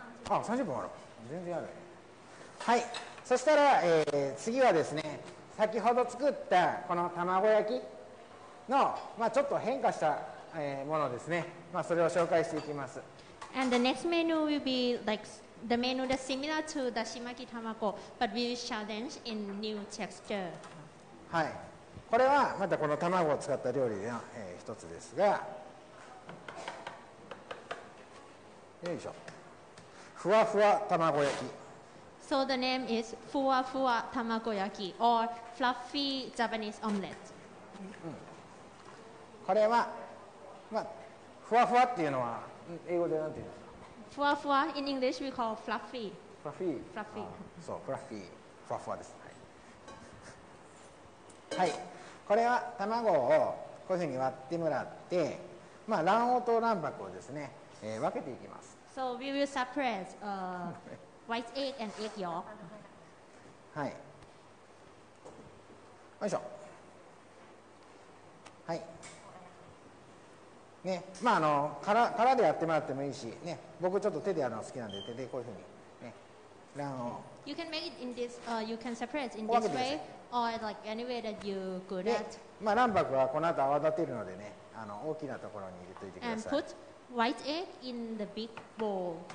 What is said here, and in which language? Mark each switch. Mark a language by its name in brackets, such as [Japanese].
[Japanese] あ、30分ある。全然ある。はい。そしたら、次はですね、先ほど作ったこの卵焼きの、まあ、ちょっと変化した、ものですね、まあ、それを紹介していきます。 [English] And the next menu will be like the menu that's similar to dashimaki tamago but we challenge in new texture. [Japanese] はい、これはまたこの卵を使った料理の、一つですが、よいしょ、ふわふわ卵焼き。 [English] So the name is ふわふわ卵焼き or fluffy Japanese omelette. [Japanese] これは、まあ、ふわふわっていうのは英語で何て言うんですか。 [English] ふわふわ in English we call fluffy. Fluffy. Fluffy. [Japanese] そう、fluffy、ふわふわです。はい。はい、これは卵をこういうふうに割ってもらって、まあ、卵黄と卵白をですね、分けていきます。 [English] So we will separate white egg and egg yolk. [Japanese] はい。よいしょ。はい。ね、まああの殻でやってもらってもいいし、ね、僕ちょっと手でやるの好きなんで手でこういうふうに、ね、卵黄。 [English] You can make it in this, you can separate in this way, or like any way that you good at. [Japanese] まあ卵白はこの後泡立てるのでね、あの大きなところに入れておいてください。 [English] And put white egg in the big bowl.